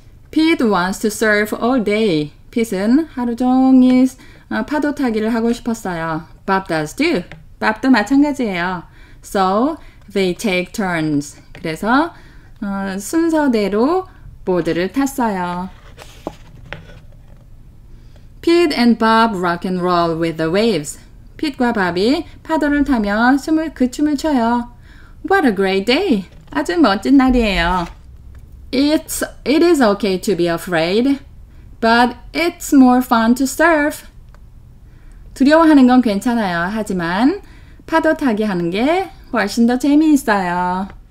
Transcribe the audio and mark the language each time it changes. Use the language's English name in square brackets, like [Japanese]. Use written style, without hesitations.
[English] Pete wants to surf all day. [Korean] Pete은 하루 종일 파도 타기를 하고 싶었어요. [English] Bob does too. [Korean] Bob도 마찬가지예요. [English] So they take turns. [Korean] 그래서 순서대로 보드를 탔어요. [English] Pete and Bob rock and roll with the waves. [Korean] Pete과 Bob이 파도를 타며 춤을 춰요. [English] What a great day. [Korean] 아주 멋진 날이에요. [English] It is okay to be afraid, but it's more fun to surf. [Korean] 두려워하는 건 괜찮아요. 하지만 파도 타기 하는 게 훨씬 더 재미있어요.